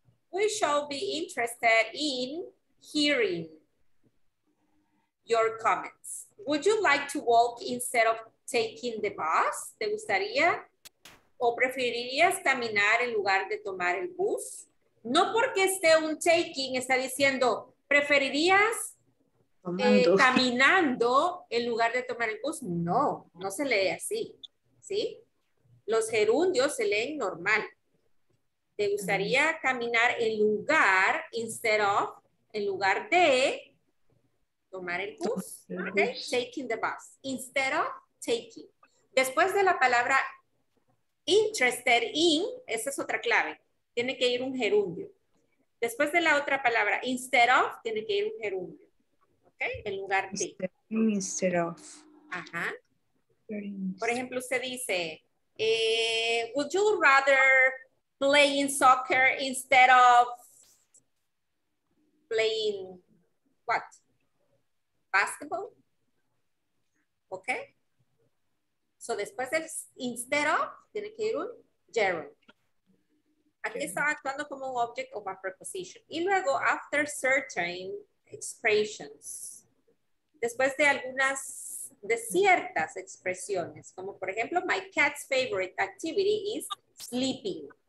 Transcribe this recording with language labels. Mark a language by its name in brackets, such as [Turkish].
[English] We shall be interested in hearing your comments. Would you like to walk instead of taking the bus? [Spanish] ¿Te gustaría o preferirías caminar en lugar de tomar el bus? No porque esté un taking, está diciendo, ¿preferirías caminando en lugar de tomar el bus? No, no se lee así, ¿sí? Los gerundios se leen normal. ¿Te gustaría caminar en lugar, instead of, en lugar de tomar el bus? Okay. [English] Taking the bus. Instead of taking. [Spanish] Después de la palabra interested in, esa es otra clave. Tiene que ir un gerundio. Después de la otra palabra, instead of, tiene que ir un gerundio. Ok. En lugar de. [English] Instead of. [Spanish] Ajá. Por ejemplo, usted dice, [English] would you rather play in soccer instead of playing what? Basketball? Ok. [Spanish] So después del instead of, tiene que ir un gerund. Aquí está actuando como un object of a preposition. Y luego, [English] after certain expressions. [Spanish] Después de algunas de ciertas expresiones, como por ejemplo, [English] my cat's favorite activity is sleeping.